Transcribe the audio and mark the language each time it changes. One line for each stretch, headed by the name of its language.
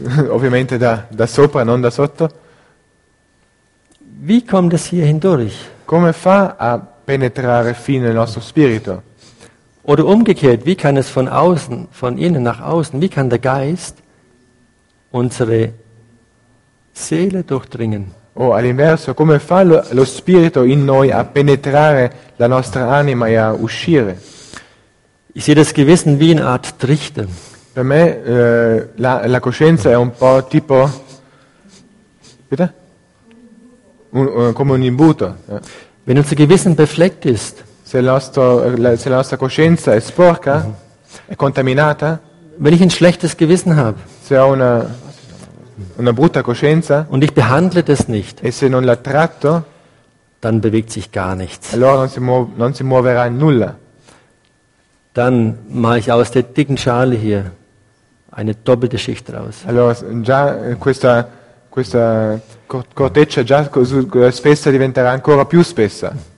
Italian: Ovviamente da sopra, non da sotto.
German: Wie kommt es hier hindurch?
Italian: Come fa a penetrare fino nel nostro spirito?
German: Oder umgekehrt, wie kann es von außen, von innen nach außen, wie kann der Geist unsere Seele durchdringen?
Italian: Oh, all'inverso, come fa lo spirito in noi a penetrare la nostra anima e a uscire?
German: Ich sehe das Gewissen wie eine Art Trichter.
Italian: Per me la coscienza è un po' tipo, bitte? Come un imbuto. Ja.
German: Wenn unser Gewissen befleckt ist,
Italian: se la nostra coscienza è sporca, è contaminata,
German: wenn ich ein schlechtes Gewissen habe,
Italian: se ho una brutta coscienza,
German: und ich behandle das nicht,
Italian: e se non la tratto,
German: dann bewegt sich gar nichts.
Italian: Allora non si muoverà nulla.
German: Dann mache ich aus der dicken Schale hier eine doppelte Schicht raus.
Italian: Allora già questa corteccia già spessa diventerà ancora più spessa.